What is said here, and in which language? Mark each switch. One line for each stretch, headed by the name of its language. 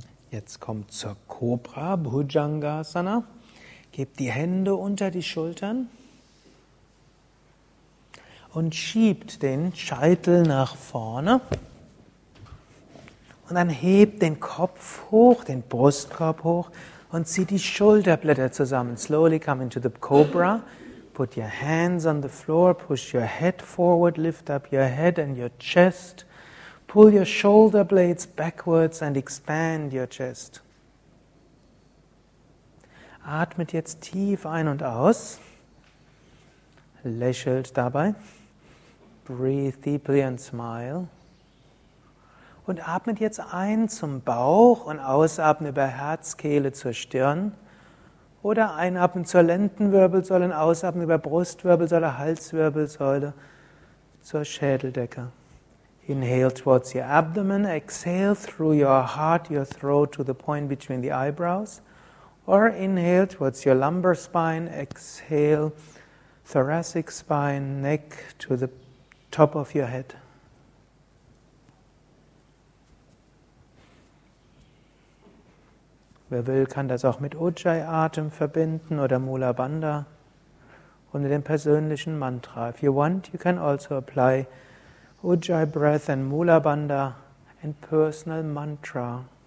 German: Jetzt kommt zur Kobra, Bhujangasana. Gebt die Hände unter die Schultern und schiebt den Scheitel nach vorne. Und dann hebt den Kopf hoch, den Brustkorb hoch und zieht die Schulterblätter zusammen.
English: Slowly come into the Cobra. Put your hands on the floor, push your head forward, lift up your head and your chest. Pull your shoulder blades backwards and expand your chest.
German: Atmet jetzt tief ein und aus. Lächelt dabei.
English: Breathe deeply and smile.
German: und atmet jetzt ein zum Bauch und ausatmen über Herz, Kehle zur Stirn. Oder einatmen zur Lendenwirbelsäule und ausatmen über Brustwirbelsäule, Halswirbelsäule zur Schädeldecke.
English: Inhale towards your abdomen, exhale through your heart, your throat to the point between the eyebrows. Or inhale towards your lumbar spine, exhale thoracic spine, neck to the top of your head.
German: Wer will, kann das auch mit Ujjayi-Atem verbinden oder Mula Bandha unter dem persönlichen Mantra.
English: If you want, you can also apply Ujjayi breath and Mula Bandha and personal mantra.